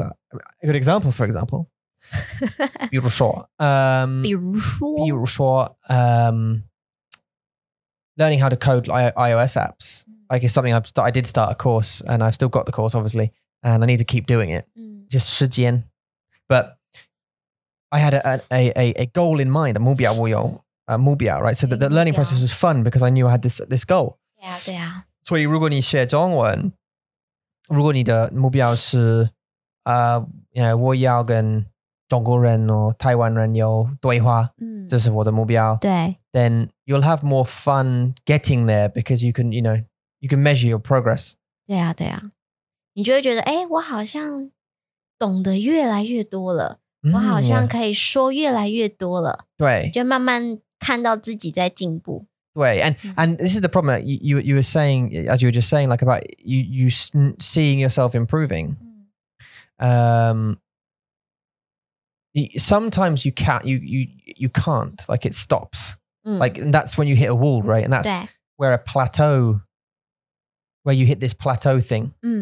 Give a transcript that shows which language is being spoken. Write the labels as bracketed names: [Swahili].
[English] A good example, for example. [Chinese] 比如说, 比如说, [English] learning how to code iOS apps. Like it's something I did start a course and I've still got the course, obviously, and I need to keep doing it. Mm. Just 时间. But,I had a goal in mind, a 目标我有, a 目标, right? So the learning process was fun because I knew I had this goal. [Chinese] Yeah, 对啊。所以如果你学中文,如果你的目标是, you know, 我要跟中国人或台湾人有对话,这是我的目标。对。 [English] Then you'll have more fun getting there because you can, you know, you can measure your progress. [Chinese] 对啊,对啊。你就会觉得,诶,我好像懂得越来越多了。 Mm, 我好像可以说越来越多了。对。就慢慢看到自己在进步。对。 [English] And this is the problem that you were saying, as you were just saying, like about you seeing yourself improving.、Mm. Sometimes you can't, you can't, like it stops.、Mm. Like that's when you hit a wall, right? And that's where a plateau, where you hit this plateau thing.、